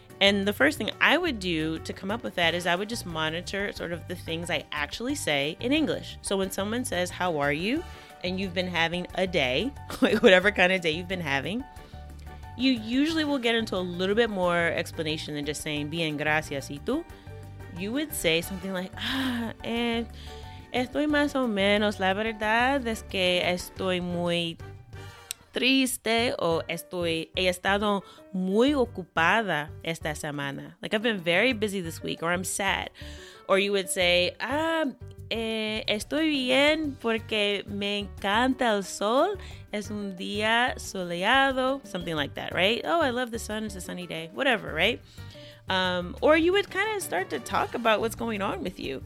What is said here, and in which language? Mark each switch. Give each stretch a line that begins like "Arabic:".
English: And the first thing I would do to come up with that is I would just monitor sort of the things I actually say in English. So when someone says, how are you? And you've been having a day, whatever kind of day you've been having, you usually will get into a little bit more explanation than just saying,
Spanish: bien, gracias, ¿y tú?
English: You would say something like,
Spanish: estoy más o menos, la verdad es que estoy muy triste o estoy, he estado muy ocupada esta semana.
English: Like, I've been very busy this week, or I'm sad. Or you would say,
Spanish: estoy bien porque me encanta el sol, es un día soleado,
English: something like that, right? Oh, I love the sun, it's a sunny day, whatever, right? Or you would kind of start to talk about what's going on with you.